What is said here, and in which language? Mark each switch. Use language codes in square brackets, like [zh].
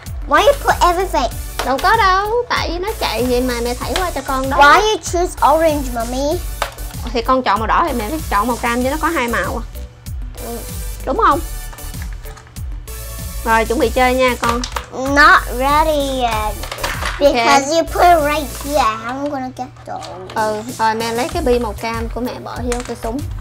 [en] Why you put everything? [vi] Đâu có đâu, tại vì nó chạy vậy mà mẹ thảy qua cho con đó. [en] Why you choose orange, mommy? [vi] Thì con chọn màu đỏ thì mẹ phải chọn màu cam chứ nó có hai màu à. Ừ. Đúng không? Rồi, chuẩn bị chơi nha con. [en] Not ready yet. Because okay. You put it right here, I'm gonna get those. [vi] Ừ, rồi mẹ lấy cái bi màu cam của mẹ bỏ vô cái súng.